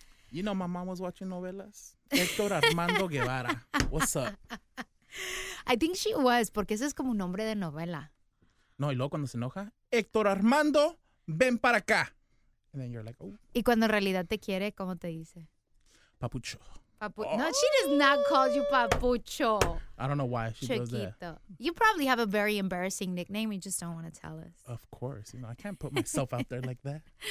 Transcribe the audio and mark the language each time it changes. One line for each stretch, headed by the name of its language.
English: You know my mom was watching novelas. Héctor Armando Guevara. What's up? I think she was,
Spanish: porque ese es como un nombre de novela. No, y luego cuando se enoja, Héctor Armando, ven para acá.
English: And then you're like, oh.
Spanish: Y cuando en realidad te quiere, ¿cómo te dice? Papucho.
English: No, she does not call you Papucho. I don't know why she
Spanish: Chiquito.
English: Does that. You probably have a very embarrassing nickname. You just don't want to tell us. Of course. You know, I can't put myself out there like that.